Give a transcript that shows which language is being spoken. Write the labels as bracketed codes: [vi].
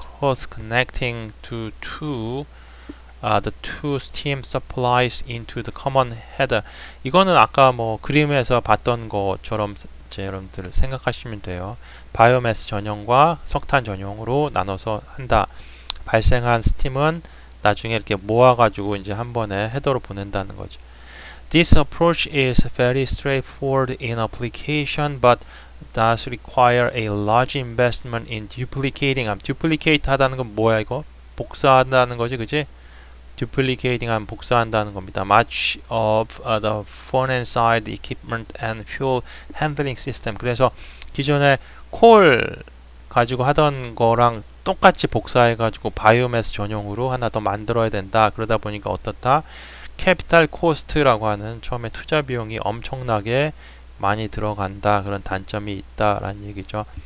[en] hose connecting to the two steam supplies into the common header. [ko] 이거는 아까 뭐 그림에서 봤던 것처럼 이제 여러분들 생각하시면 돼요. 바이오매스 전용과 석탄 전용으로 나눠서 한다. 발생한 스팀은 나중에 이렇게 모아가지고 이제 한 번에 헤더로 보낸다는 거죠. [en] This approach is very straightforward in application, but does require a large investment in duplicating. [ko] Duplicate 하다는 건 뭐야 이거? 복사한다는 거지, 그치? Duplicating 하면 복사한다는 겁니다. [en] Much of the front and side equipment and fuel handling system. [ko] 그래서 기존에 콜 가지고 하던 거랑 똑같이 복사해가지고 바이오매스 전용으로 하나 더 만들어야 된다. 그러다 보니까 어떻다? Capital cost라고 하는 처음에 투자 비용이 엄청나게 많이 들어간다. 그런 단점이 있다라는 얘기죠.